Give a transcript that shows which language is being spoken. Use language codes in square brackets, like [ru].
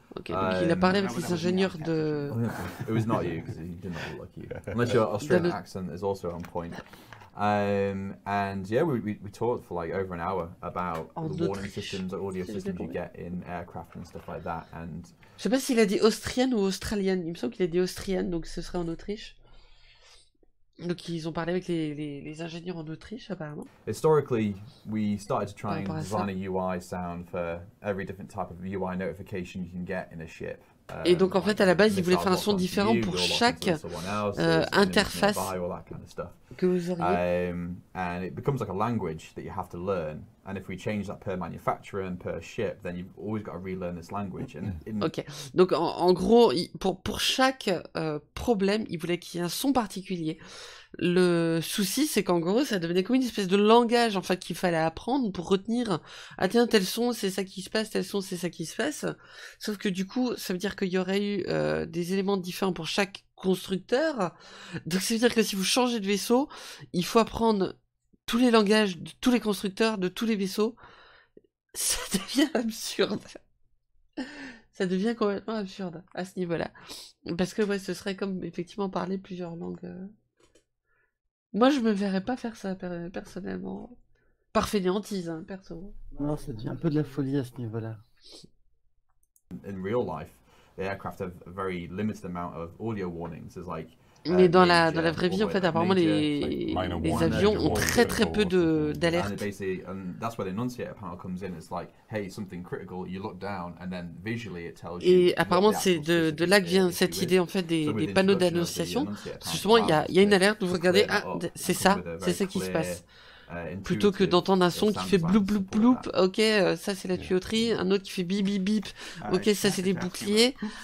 [fr] Okay, donc il a parlé avec ses ingénieurs de [en] It was not you because he did not look you. Unless your Australian accent is also on point. And yeah, we talked for like over an hour about the warning systems, the audio systems you get in aircraft and stuff like that. And [fr] je sais pas s'il a dit austrienne ou australienne. Il me semble qu'il a dit austrienne, donc ce serait en Autriche. Donc ils ont parlé avec les ingénieurs en Autriche apparemment. [en] Historically, we started to try and design a UI sound for every different type of UI notification you can get in a ship. [fr] Et donc en fait à la base ils voulaient faire un son différent pour chaque interface que vous auriez. [en] And it becomes like a language that you have to learn. And if we change that per manufacturer and per ship, then you've always got to relearn this language. [fr] Ok, donc en gros pour chaque problème ils voulaient qu'il y ait un son particulier. Le souci c'est qu'en gros ça devenait comme une espèce de langage enfin qu'il fallait apprendre pour retenir ah tiens tel son c'est ça qui se passe, tel son c'est ça qui se passe, sauf que du coup ça veut dire qu'il y aurait eu des éléments différents pour chaque constructeur, donc ça veut dire que si vous changez de vaisseau il faut apprendre tous les langages de tous les constructeurs de tous les vaisseaux, ça devient absurde. Ça devient complètement absurde à ce niveau là parce que ouais ce serait comme effectivement parler plusieurs langues. Moi, je me verrais pas faire ça personnellement. Par fainéantise, hein, perso. Non, ça devient un peu de la folie à ce niveau-là. [en] In real life, the aircraft have a very limited amount of audio warnings. It's like, [fr] mais dans la vraie vie, en fait, apparemment, les avions ont très très peu d'alertes. [en] And that's where the enunciator panel comes in. It's like, hey, something critical, you look down, and then visually it tells you. [fr] Et apparemment, c'est de là que vient cette idée, en fait, des panneaux d'annonciation. Justement, il y a une alerte, vous regardez, ah, c'est ça qui se passe. Plutôt que d'entendre un son qui fait bloup bloup bloup, ok, ça c'est la tuyauterie, un autre qui fait bip bip bip, ok, ça c'est des boucliers.